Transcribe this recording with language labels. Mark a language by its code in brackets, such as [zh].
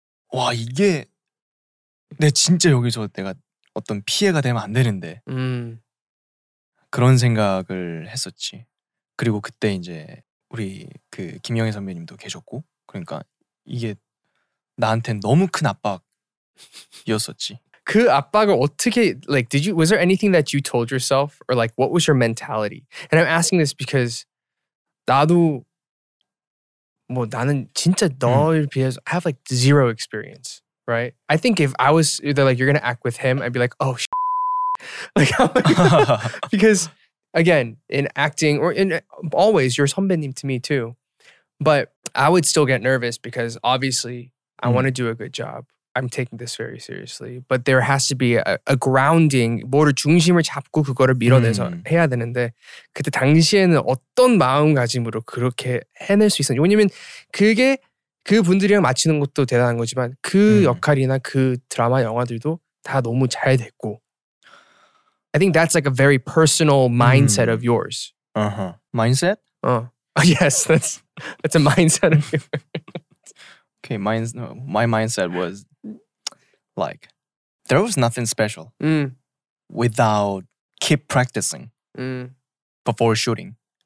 [ko] 와 이게 내 진짜 여기서 내가 어떤 피해가 되면 안 되는데 그런 생각을 했었지. 그리고 그때 이제 우리 그 김영애 선배님도 계셨고 그러니까 이게 나한텐 너무 큰 압박이었었지. 그 압박을 어떻게 [en] like did you was there anything that you told yourself or like what was your mentality? And I'm asking this because [ko] 나도 뭐 나는 진짜 너에 비해서 [en] I have like zero experience, right? I think if I was they're like you're going to act with him, I'd be like oh shit. Like because again, in acting or in always you're 선배님 to me too. But I would still get nervous because obviously I want to do a good job. I'm taking this very seriously. But there has to be a grounding. [ko] 뭐를 중심을 잡고 그거를 밀어내서 해야 되는데 그때 당시에는 어떤 마음가짐으로 그렇게 해낼 수 있었는지. 왜냐면 그게 그 분들이랑 맞추는 것도 대단한 거지만 그 역할이나 그 드라마 영화들도 다 너무 잘 됐고. [en] I think that's like a very personal mindset of yours. Uh-huh. Mindset? Yes, that's a mindset of yours. Okay, my mindset was like, there was nothing special without keep practicing before shooting.